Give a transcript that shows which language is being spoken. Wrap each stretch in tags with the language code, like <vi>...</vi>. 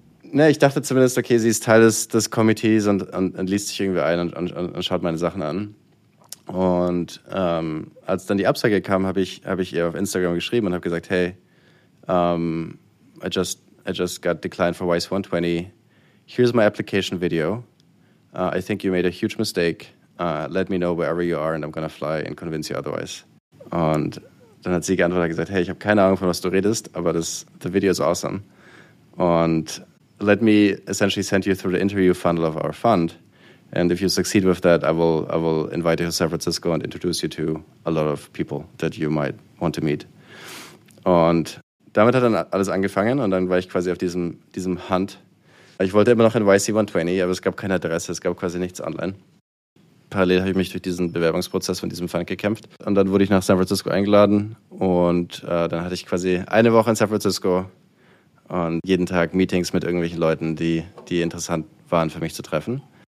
<de>Ne, ich dachte zumindest, okay, sie ist Teil des Komitees und liest sich irgendwie ein und schaut meine Sachen an. Und als dann die Absage kam, habe ich ihr auf Instagram geschrieben und habe gesagt,</de> <en>hey, I just got declined for WISE 120. Here's my application video. I think you made a huge mistake. Let me know wherever you are and I'm gonna fly and convince you otherwise.</en> <de>Und dann hat sie geantwortet und gesagt, hey, ich habe keine Ahnung, von was du redest, aber</de> <en>the video is awesome. Und let me essentially send you through the interview funnel of our fund. And if you succeed with that, I will invite you to San Francisco and introduce you to a lot of people that you might want to meet.</en> <de>Und damit hat dann alles angefangen und dann war ich quasi auf diesem Hunt. Ich wollte immer noch in YC 120, aber es gab keine Adresse, es gab quasi nichts online. Parallel habe ich mich durch diesen Bewerbungsprozess von diesem Fund gekämpft. Und dann wurde ich nach San Francisco eingeladen. Und dann hatte ich quasi eine Woche in San Francisco und jeden Tag Meetings mit irgendwelchen Leuten, die interessant waren für mich zu treffen.</de>